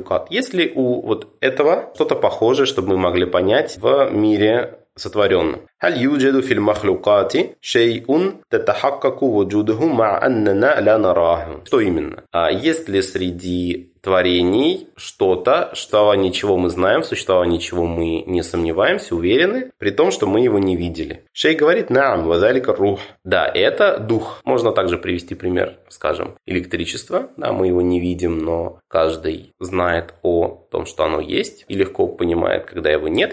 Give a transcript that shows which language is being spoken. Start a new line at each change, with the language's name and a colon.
Russian: Есть ли у вот этого что-то похожее, чтобы мы могли понять в мире сотворенном?
Arabic: هل يوجد في المخلوقات شيء تتحقق وجوده مع أننا لا نراه؟
Russian: Что именно? Есть ли среди творений что-то, что ничего мы знаем, существование чего мы не сомневаемся, уверены, при том, что мы его не видели? Шей говорит нам,
Arabic: وذلك روح.
Russian: Да, это дух. Можно также привести пример, скажем, электричество. Да, мы его не видим, но каждый знает о том, что оно есть, и легко понимает, когда его нет.